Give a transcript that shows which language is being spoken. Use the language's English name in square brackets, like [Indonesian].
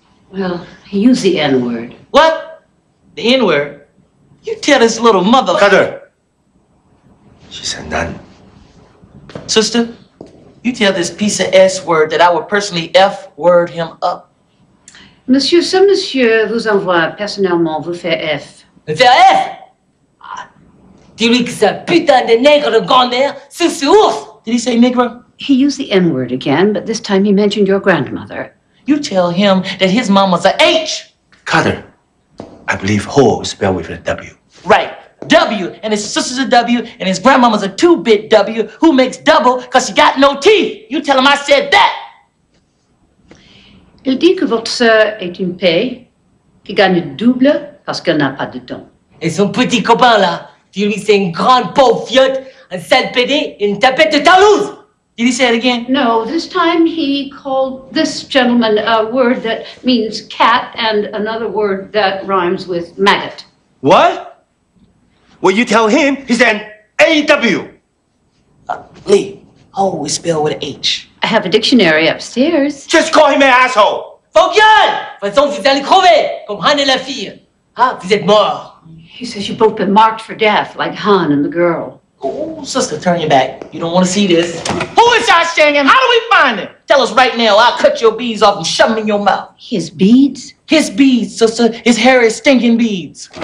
[English] Well, use the N-word. What? The N-word? You tell this little mother... Cutter! She's a nun. Sister, you tell this piece of S word that I would personally F word him up. [French] Monsieur, ce monsieur vous envoie personnellement vous faire F. Faire F? Dis-lui que ce putain de nègre de grand-mère, c'est ouf! [English] Did he say nigger? He used the N word again, but this time he mentioned your grandmother. You tell him that his mom was a H! Carter, I believe ho is spelled with a W. Right. W, and his sister's a W, and his grandmama's a two-bit W, who makes double because she got no teeth. You tell him I said that. [French] Il dit que votre sœur est une paix, qui gagne double parce qu'elle n'a pas de dents. Et son petit copain là, tu lui c'est une grande pauvre fiotte, un sale pédé, une tapette de Toulouse. [English] Can you say it again? No, this time he called this gentleman a word that means cat and another word that rhymes with maggot. What? Well, you tell him he's an A-W. Lee, always spell with an H. I have a dictionary upstairs. Just call him an asshole. Fogel! [French] Façon, vous allez crever, comme Han et la fille. Ah, vous êtes mort. [English] He says you've both been marked for death, like Han and the girl. Oh, sister, turn your back. You don't want to see this. Who is Josh Shangham? How do we find him? Tell us right now. I'll cut your beads off and shove them in your mouth. His beads? His beads, sister. His hair is stinking beads.